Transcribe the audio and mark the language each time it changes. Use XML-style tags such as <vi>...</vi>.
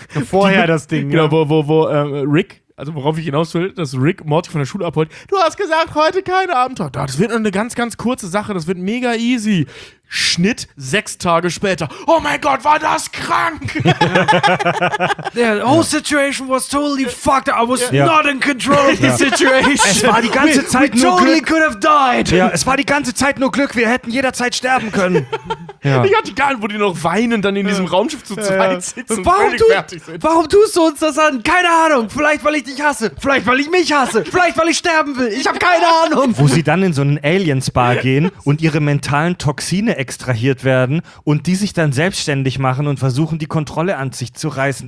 <de>Vorher die, das Ding, genau, ja. Wo Rick, also worauf ich hinaus will, dass Rick Morty von der Schule abholt. Du hast gesagt, heute keine Abenteuer. Das wird eine ganz, ganz kurze Sache. Das wird mega easy. Schnitt 6 Tage später. Oh mein Gott, war das krank!</de> <en>The whole situation was totally fucked up. I was not in control of the situation.</en> <de>Es war die ganze Zeit nur Glück.</de> <en>We totally could have died.</en> <de>Ja, es war die ganze Zeit nur Glück. Wir hätten jederzeit sterben können. Ja. Ich hatte gar nicht, wo die noch weinen, dann in diesem Raumschiff zu zweit sitzen. Warum tust du uns das an? Keine Ahnung. Vielleicht, weil ich dich hasse. Vielleicht, weil ich mich hasse. Vielleicht, weil ich sterben will. Ich habe keine Ahnung. Wo sie dann in so einen Aliens-Spa gehen und ihre mentalen Toxine extrahiert werden und die sich dann selbstständig machen und versuchen, die Kontrolle an sich zu reißen.</de>